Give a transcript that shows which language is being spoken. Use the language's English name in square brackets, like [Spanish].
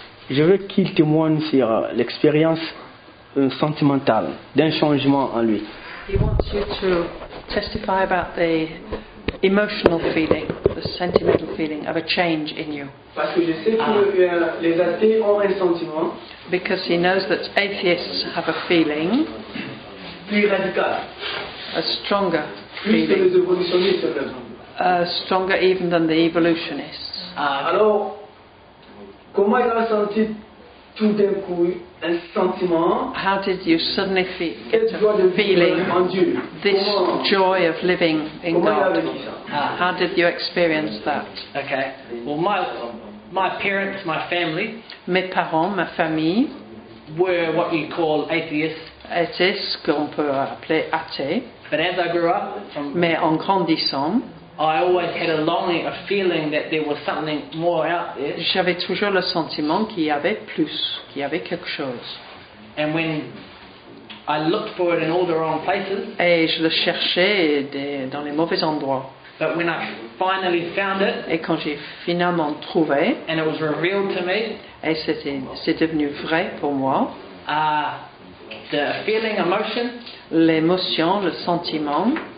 [French] Je veux qu'il témoigne sur l'expérience sentimentale d'un changement en lui. [English] He wants you to testify about the emotional feeling, the sentimental feeling of a change in you. [French] Parce que je sais que les athées ont un sentiment. [English] Because he knows that atheists have a feeling. [French] Plus radical. [English] A stronger [French] plus [English] feeling. [French] Plus que les évolutionnistes, par exemple. [English] Stronger even than the evolutionists. [French] Alors, comment il a senti tout d'un coup un sentiment? [English] How did you suddenly feel? [French] Quelle joie de [English] feeling [French] en Dieu? [English] This [French] comment, [English] joy of living in God. How did you experience that? Okay. Well, my parents, my family, [French] mes parents, ma famille, [English] were what you call atheists. [French] Atheists, qu'on peut appeler athées. [English] But as I grew up, [French] mais en grandissant, [English] I always had a longing, a feeling that there was something more out there. [French] J'avais toujours le sentiment qu'il y avait plus, qu'il y avait quelque chose. [English] And when I looked for it in all the wrong places, [French] et je le cherchais dans les mauvais endroits. [English] But when I finally found it, [French] et quand j'ai finalement trouvé, [English] and it was revealed to me, [French] et c'est devenu vrai pour moi, [English] the feeling, emotion, [French] l'émotion, le sentiment,